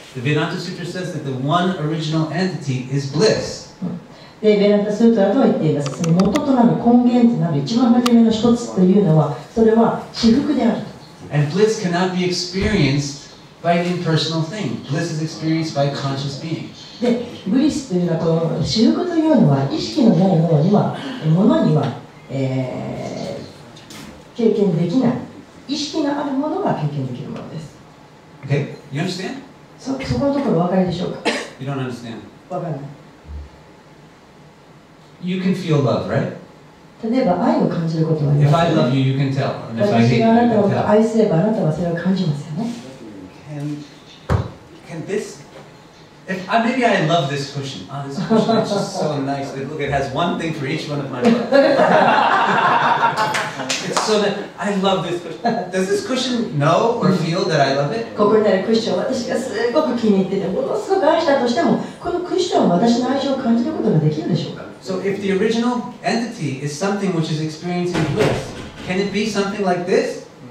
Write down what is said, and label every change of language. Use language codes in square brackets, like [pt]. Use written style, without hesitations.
[en] The Vedanta Sutra says that the one original entity is bliss. [ja] でベランタスートラとは言っています。その元となる根源となる一番初めの一つというのは、それは至福であると。 [en] And bliss cannot be experienced by an impersonal thing. Bliss is experienced by a conscious being. [ja] で、ブリスというのは、至福というのは、意識のないものには、経験できない。意識があるものが経験できるものです。 [en] Okay, you understand? [ja] そこのところ分かりでしょうか。 [en] You don't understand. [ja] 分かんない。 [en] You can feel love, right? [ja] 例えば愛を感じることはあります、 [en] ね。If I love you, you can tell. And if I hate you, you can tell. [ja] 私があなたを愛すればあなたはそれを感じますよね。 [en] Can this? If maybe I love this cushion. Oh, this cushion is just so nice. Like, look, it has one thing for each one of my buttons. It's so that I love this cushion. Does this cushion know or feel that I love it? [ja] ここにあるクッション、私がすごく気に入っててものすごく愛したとしても、このクッションは私の愛情を感じることができるんでしょうか？ [en] So if the original entity is something which is experiencing bliss, can it be something like this?